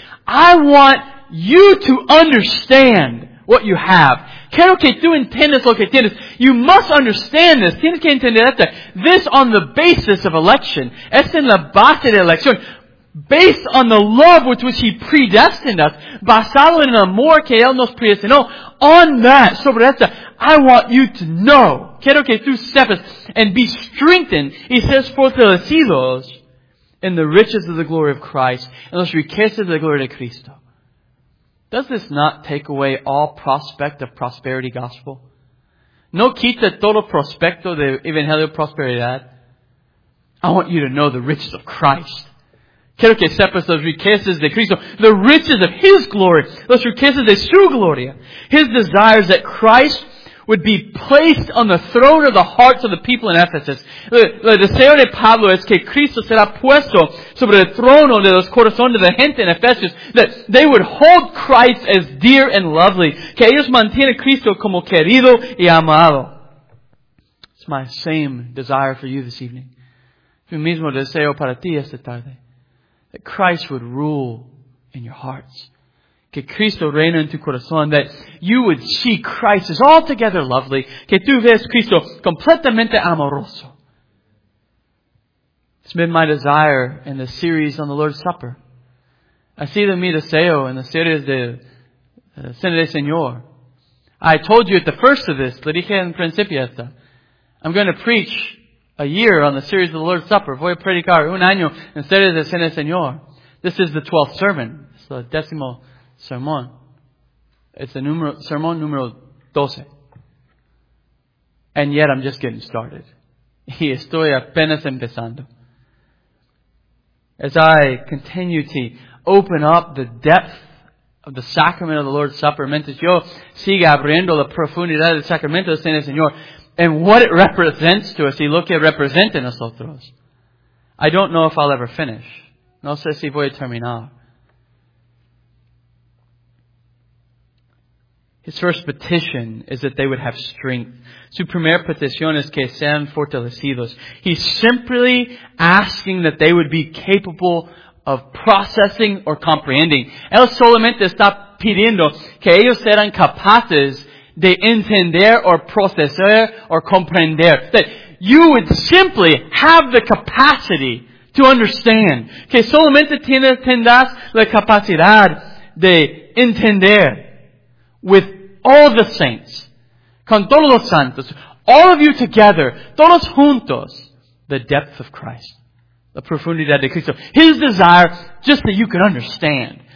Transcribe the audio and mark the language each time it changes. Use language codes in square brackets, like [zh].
[en] I want you to understand what you have. [es] Quiero que tú entiendas lo que tienes. [en] You must understand this. [es] Tienes que entender esto. [en] This on the basis of election. [es] Es en la base de elección. [en] Based on the love with which He predestined us. [es] Basado en el amor que Él nos predestinó. [en] On that, [es] sobre esto, [en] I want you to know. [es] Quiero que tú sepas [en] and be strengthened. He says, fortalecidos in the riches of the glory of Christ. [es] En los riquezas de la gloria de Cristo. [en] Does this not take away all prospect of prosperity gospel? [es] No quita todo prospecto de evangelio prosperidad. [en] I want you to know the riches of Christ. [es] Quiero que sepas las riquezas de Cristo. [en] The riches of His glory. [es] Las riquezas de su gloria. [en] His desires that Christ would be placed on the throne of the hearts of the people in Ephesus. [es] El deseo de Pablo es que Cristo será puesto sobre el trono de los corazones de la gente en Ephesus. [en] That they would hold Christ as dear and lovely. [es] Que ellos mantienen a Cristo como querido y amado. [en] It's my same desire for you this evening. [es] Mi mismo deseo para ti esta tarde. [en] That Christ would rule in your hearts. [es] Que Cristo reina en tu corazón. [en] That you would see Christ as altogether lovely. [es] Que tú veas Cristo completamente amoroso. [en] It's been my desire in the series on the Lord's Supper. [es] Ha sido mi deseo en la serie de Cena del Señor. [en] I told you at the first of this. Le dije en principio esta. I'm going to preach a year on the series of the Lord's Supper. [es] Voy a predicar un año en la serie de Cena del Señor. [en] This is the 12th sermon. It's the [es] décimo sermón. It's a sermón número 12. [en] And yet I'm just getting started. [es] Y estoy apenas empezando. [en] As I continue to open up the depth of the sacrament of the Lord's Supper, [es] mientras yo siga abriendo la profundidad del sacramento del Cena del Señor, [en] and what it represents to us, [es] y lo que representa en nosotros, [en] I don't know if I'll ever finish. [es] No sé si voy a terminar. [en] His first petition is that they would have strength. [es] Su primer petición es que sean fortalecidos. [en] He's simply asking that they would be capable of processing or comprehending. [es] Él solamente está pidiendo que ellos sean capaces de entender or procesar or comprender. [en] That you would simply have the capacity to understand. [es] Que solamente tendrás la capacidad de entender. [en] With all the saints, [es] con todos los santos, [en] all of you together, [es] todos juntos, [en] the depth of Christ, [es] la profundidad de Cristo, [en] His desire, just that you can understand.